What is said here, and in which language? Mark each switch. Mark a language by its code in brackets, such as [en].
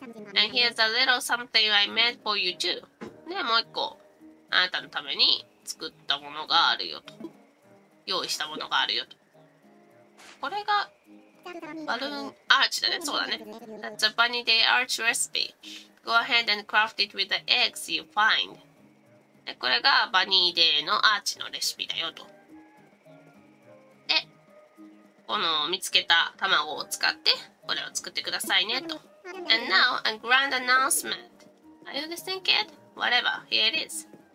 [en] And here's a little something I made for you too. [ja] で、もう一個、あなたのために作ったものがあるよと。用意したものがあるよと。これがバルーンアーチだね。そうだね。 [en] That's a bunny day arch recipe. Go ahead and craft it with the eggs you find. [ja] で、これがバニーデーのアーチのレシピだよと。で、この見つけた卵を使ってこれを作ってくださいねと。 [en] And now a grand announcement. Are you listening, kid? Whatever. Here it is.